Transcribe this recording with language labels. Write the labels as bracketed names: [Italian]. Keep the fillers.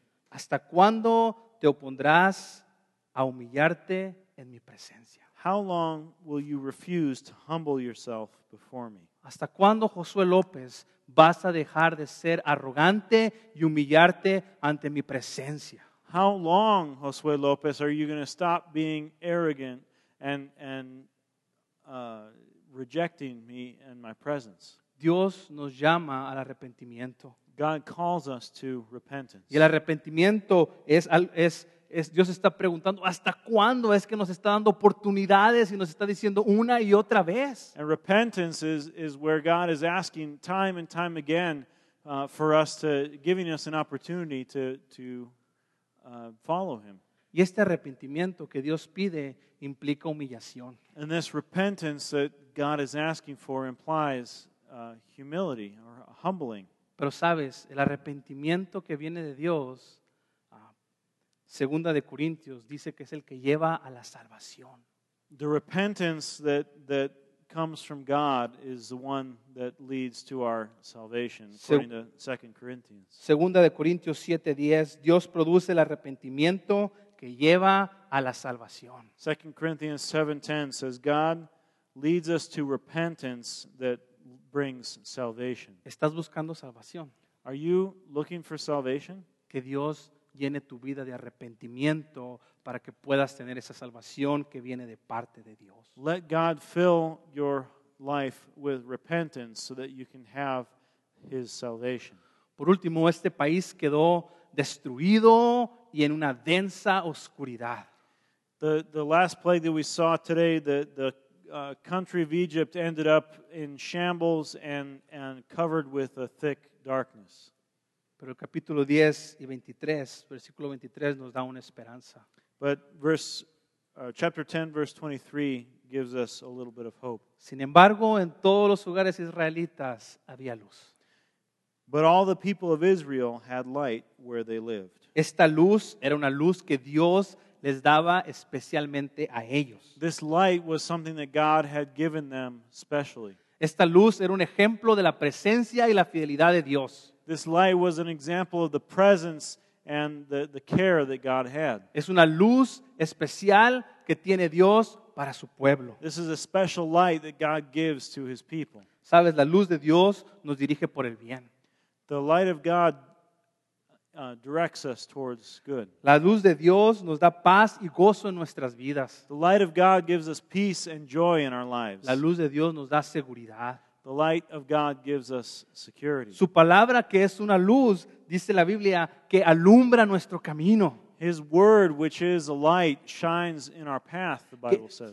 [Spanish] ¿Hasta cuándo te opondrás a humillarte en mi presencia? [English] How long will you refuse to humble yourself before me? [Spanish] ¿Hasta cuándo, Josué López, vas a dejar de ser arrogante y humillarte ante mi presencia? [English] How long, Josué López, are you going to stop being arrogant and, and uh, rejecting me and my presence? [Spanish] Dios nos llama al arrepentimiento. [English] God calls us to repentance. [Spanish] Y el arrepentimiento es, es, es Dios está preguntando hasta cuándo es que nos está dando oportunidades y nos está diciendo una y otra vez. [English] And repentance is, is where God is asking time and time again uh, for us to giving us an opportunity to, to uh, follow Him. [Spanish] Y este arrepentimiento que Dios pide implica humillación. [English] And this repentance that God is asking for implies uh, humility or humbling. [Spanish] Pero sabes, el arrepentimiento que viene de Dios, uh, segunda de Corintios, dice que es el que lleva a la salvación. [English] The repentance that, that comes from God is the one that leads to our salvation, according to 2 Corinthians. [Spanish] Segunda de Corintios 7.10, Dios produce el arrepentimiento que lleva a la salvación. [English] Second Corinthians 7.10 says, God leads us to repentance that brings salvation. [Spanish] ¿Estás buscando salvación? [English] Are you looking for salvation? [Spanish] Que Dios llene tu vida de arrepentimiento para que puedas tener esa salvación que viene de parte de Dios. [English] Let God fill your life with repentance so that you can have his salvation. [Spanish] Por último, este país quedó destruido y en una densa oscuridad. [English] The the last plague that we saw today, the the uh, country of Egypt ended up in shambles and, and covered with a thick darkness. [Spanish] Pero capítulo 10 y 23, versículo 23 nos da una esperanza. [English] But verse uh, chapter 10 verse 23 gives us a little bit of hope. [Spanish] Sin embargo, en todos los lugares israelitas había luz. [English] But all the people of Israel had light where they lived. [Spanish] Esta luz era una luz que Dios les daba especialmente a ellos. [English] This light was something that God had given them specially. [Spanish] Esta luz era un ejemplo de la presencia y la fidelidad de Dios. [English] This light was an example of the presence and the, the care that God had. [Spanish] Es una luz especial que tiene Dios para su pueblo. [English] This is a special light that God gives to his people. [Spanish] Sabes, la luz de Dios nos dirige por el bien. [English] The light of God Uh, directs us towards good. [Spanish] La luz de Dios nos da paz y gozo en nuestras vidas. [English] The light of God gives us peace and joy in our lives. [Spanish] La luz de Dios nos da seguridad. [English] The light of God gives us security. [Spanish] Su palabra que es una luz, dice la Biblia, que alumbra nuestro camino. [English] His word which is a light shines in our path, the Bible que, says.